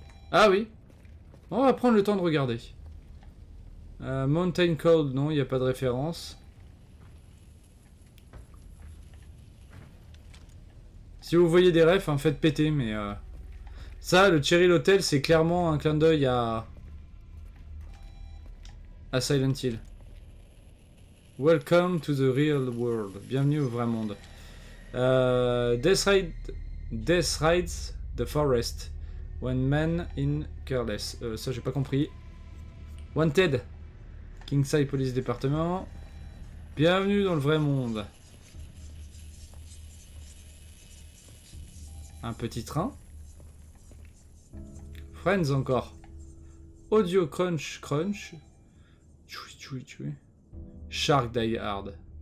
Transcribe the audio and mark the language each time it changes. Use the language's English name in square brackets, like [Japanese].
[French] Ah oui, on va prendre le temps de regarder. Mountain Cold, non, il n'y a pas de référence. Si vous voyez des refs, hein, faites péter, mais ça, le Cheryl Hotel, c'est clairement un clin d'œil à Silent Hill. [English] Welcome to the real world. [French] Bienvenue au vrai monde. [English] Death Rides the Forest. One man in careless. [French] Ça, j'ai pas compris. [English] Wanted. Kingside Police Department. [French] Bienvenue dans le vrai monde. Un petit train. Friends encore. Audio crunch crunch. Tchoui tchoui tchoui. [English] Shark Die Hard.